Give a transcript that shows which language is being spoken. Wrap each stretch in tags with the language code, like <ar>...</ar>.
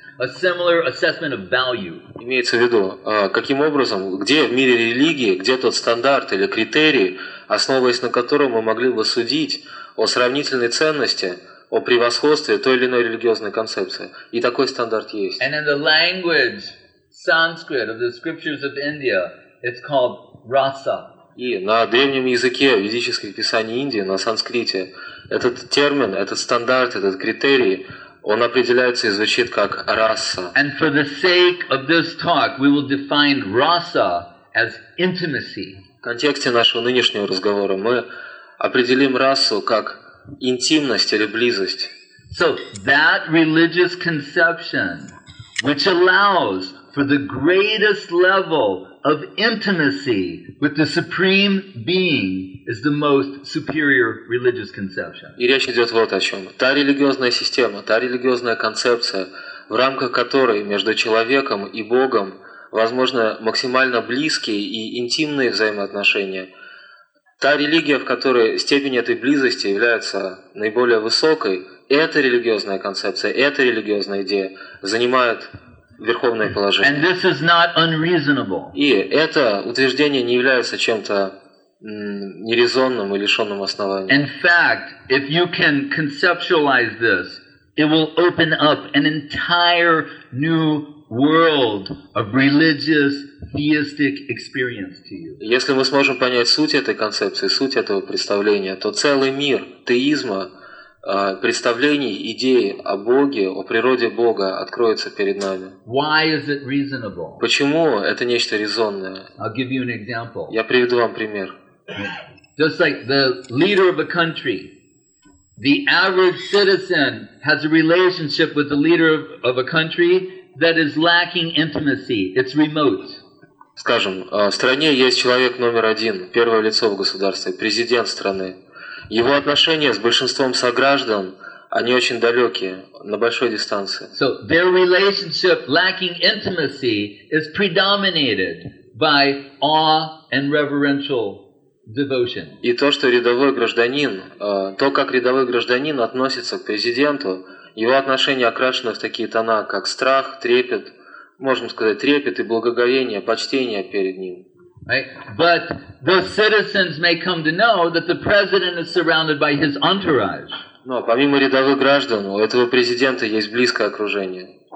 <en>A similar assessment of value.</en> <ru>Имеется в виду, каким образом, где в мире религии, где тот стандарт или критерий, основываясь на котором мы могли бы судить о сравнительной ценности, о превосходстве той или иной религиозной концепции. И такой стандарт есть.</ru> <en>And in the language Sanskrit of the scriptures of India, it's called rasa.</en> <ru>И на древнем языке ведических писаний Индии, на санскрите, этот термин, этот стандарт, этот критерий, он определяется и звучит как раса.</ru> <en>And for the sake of this talk, we will define rasa as intimacy.</en> <ru>В контексте нашего нынешнего разговора мы определим расу как интимность или близость.</ru> <en>So that religious conception, which allows for the greatest level of intimacy with the supreme being, is the most superior religious conception.</en> <ru>И речь идет вот о чем. Та религиозная система, та религиозная концепция, в рамках которой между человеком и Богом возможно максимально близкие и интимные взаимоотношения, та религия, в которой степень этой близости является наиболее высокой, эта религиозная концепция, эта религиозная идея занимает верховное положение.</ru> <en>And this is not unreasonable.</en> <ru>И это утверждение не является чем-то нерезонным и лишенным основания.</ru> <en>In fact, if you can conceptualize this, it will open up an entire new world of religious theistic experience to you.</en> <ru>Если мы сможем понять суть этой концепции, суть этого представления, то целый мир теизма, представлений, идей о Боге, о природе Бога откроется перед нами.</ru> <en>Why is it reasonable?</en> <ru>Почему это нечто резонное?</ru> <en>I'll give you an example.</en> <ru>Я приведу вам пример.</ru> <en>Just like the leader of a country, the average citizen has a relationship with the leader of a country that is lacking intimacy. It's remote.</en> <ru>Скажем, в стране есть человек номер один, первое лицо в государстве, президент страны. Его отношения с большинством сограждан, они очень далекие, на большой дистанции.</ru> <en>So their relationship lacking intimacy is predominated by awe and reverential devotion.</en> <ru>И то, что рядовой гражданин, то, как рядовой гражданин относится к президенту, его отношения окрашены в такие тона, как страх, трепет, можем сказать, трепет и благоговение, почтение перед ним.</ru> <en>Right? But the citizens may come to know that the president is surrounded by his entourage.</en> <ru>Но помимо рядовых граждан, у этого президента есть близкое окружение.</ru>